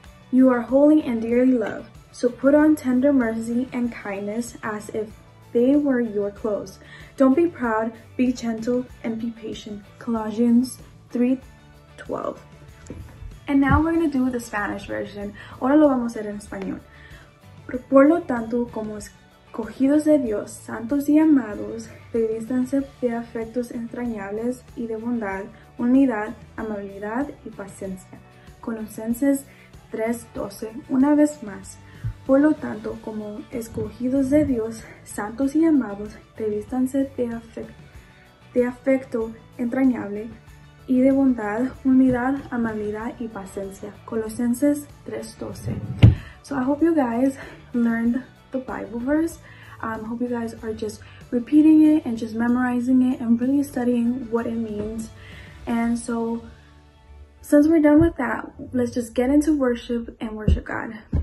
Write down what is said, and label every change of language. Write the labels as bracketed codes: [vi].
[en] You are holy and dearly loved. So put on tender mercy and kindness as if they were your clothes. Don't be proud, be gentle and be patient." Colossians 3:12. And now we're going to do the Spanish version. [es] Ahora lo vamos a hacer en español. Por lo tanto, como escogidos de Dios, santos y amados, revístanse de afectos entrañables y de bondad, unidad, amabilidad y paciencia. Colosenses 3:12. Una vez más. Por lo tanto, como escogidos de Dios, santos y amados, revístanse de afecto entrañable y de bondad, humildad, amabilidad, y paciencia. Colosenses 3:12. [en] So I hope you guys learned the Bible verse. I hope you guys are just repeating it and just memorizing it and really studying what it means. And so since we're done with that, let's just get into worship and worship God.